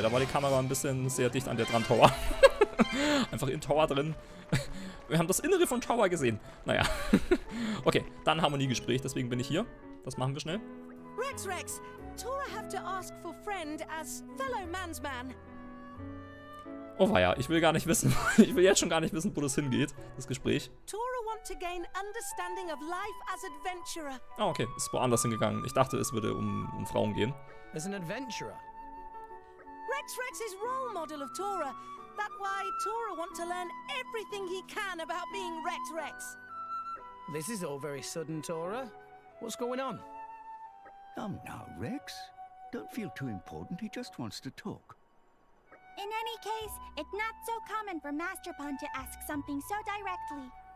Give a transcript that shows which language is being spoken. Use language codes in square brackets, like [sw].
[de] Da war die Kamera ein bisschen sehr dicht an der dran Tower. Einfach in Tower drin. Wir haben das Innere von Tower gesehen. Naja. Okay, dann Harmoniegespräch, deswegen bin ich hier. Das machen wir schnell. [en] Rex, Tora have to ask for friend as fellow man's man. [de] Oh weia, ich will gar nicht wissen. Ich will jetzt schon gar nicht wissen, wo das hingeht, das Gespräch. [en] Tora want to gain understanding of life as adventurer. [de] Oh, okay, ist woanders hingegangen. Ich dachte, es würde um Frauen gehen. [en] As an adventurer. Rex is role model of Tora, That's why Tora wants to learn everything he can about being Rex Rex. This is all very sudden, Tora. What's going on? Come now, Rex. Don't feel too important. He just wants to talk. In any case, it's not so common for Master Pond to ask something so directly.